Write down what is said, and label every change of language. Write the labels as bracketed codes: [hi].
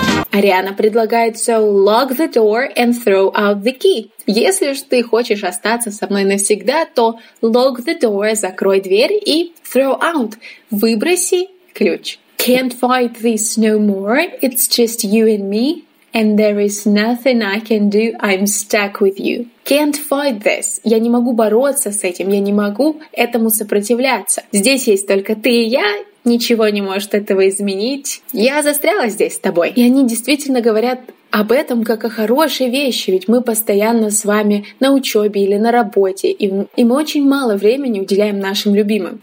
[ru] Ариана предлагает [en] «So lock the door and throw out the key». [ru] Если уж ты хочешь остаться со мной навсегда, то [en] «lock the door» [ru] — закрой дверь и [en] «throw out» [ru] — выброси ключ. [en] «Can't fight this no more, it's just you and me, and there is nothing I can do, I'm stuck with you». «Can't fight this» [ru] — я не могу бороться с этим, я не могу этому сопротивляться. Здесь есть только ты и я. Ничего не может этого изменить. Я застряла здесь с тобой. И они действительно говорят об этом как о хорошей вещи, ведь мы постоянно с вами на учебе или на работе, и мы очень мало времени уделяем нашим любимым.